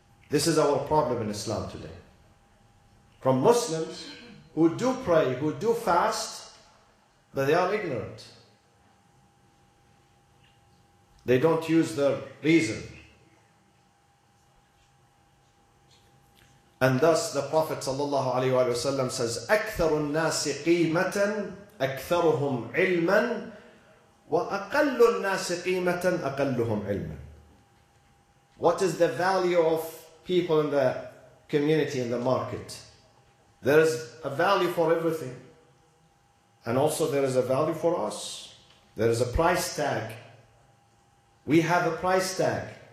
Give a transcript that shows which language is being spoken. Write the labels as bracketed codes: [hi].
[en] This is our problem in Islam today. From Muslims who do pray, who do fast, but they are ignorant. They don't use their reason. And thus the Prophet ﷺ says, [ar] أَكْثَرُ النَّاسِ قِيمَةً أَكْثَرُهُمْ عِلْمًا وَأَقَلُّ النَّاسِ قِيمَةً أَقَلُّهُمْ عِلْمًا. [en] What is the value of people in the community, in the market? There is a value for everything. And also there is a value for us. There is a price tag. We have a price tag.